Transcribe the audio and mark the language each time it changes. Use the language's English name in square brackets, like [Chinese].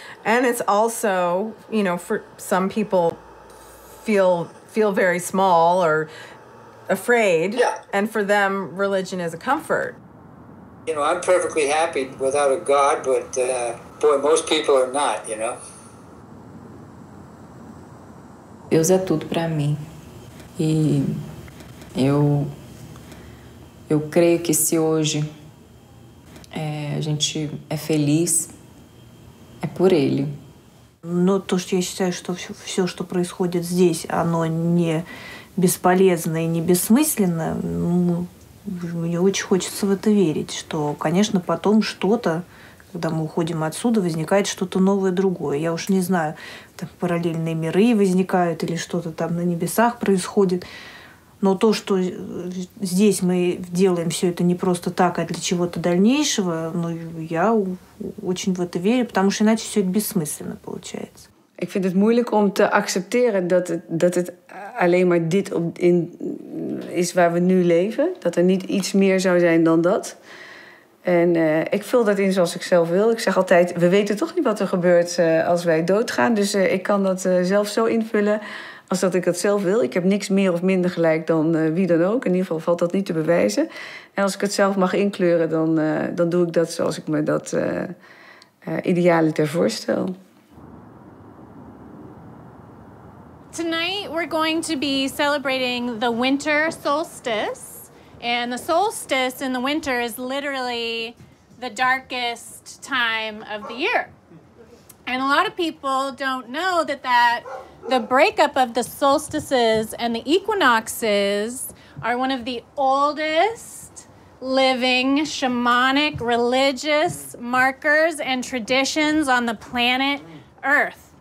[English] And it's also, you know, for some people feel very small or afraid. Yeah. And for them, religion is a comfort. You know, I'm perfectly happy without a God, but boy, most people are not, you know. [Portuguese] Deus é tudo para mim. E eu creio que se hoje a gente é feliz, é por ele. [Russian] Ну, то, что я считаю, что все, что происходит здесь, оно не бесполезно и не бессмысленно, ну, мне очень хочется в это верить, что, конечно, потом что-то, когда мы уходим отсюда, возникает что-то новое, другое. Я уж не знаю, там параллельные миры возникают или что-то там на небесах происходит. Но то, что здесь мы делаем все это не просто так, а для чего-то дальнейшего, ну, я очень в это верю, потому что иначе все это бессмысленно получается. [Dutch] Ik vind het moeilijk om te accepteren dat het alleen maar dit is waar we nu leven. Dat er niet iets meer zou zijn dan dat. En ik vul dat in zoals ik zelf wil. Ik zeg altijd, we weten toch niet wat er gebeurt als wij doodgaan. Dus ik kan dat zelf zo invullen als dat ik het zelf wil. Ik heb niks meer of minder gelijk dan wie dan ook. In ieder geval valt dat niet te bewijzen. En als ik het zelf mag inkleuren, dan doe ik dat zoals ik me dat idealiter voorstel. [English] Tonight we're going to be celebrating the winter solstice. And the solstice in the winter is literally the darkest time of the year. And a lot of people don't know that the breakup of the solstices and the equinoxes are one of the oldest living shamanic religious markers and traditions on the planet Earth.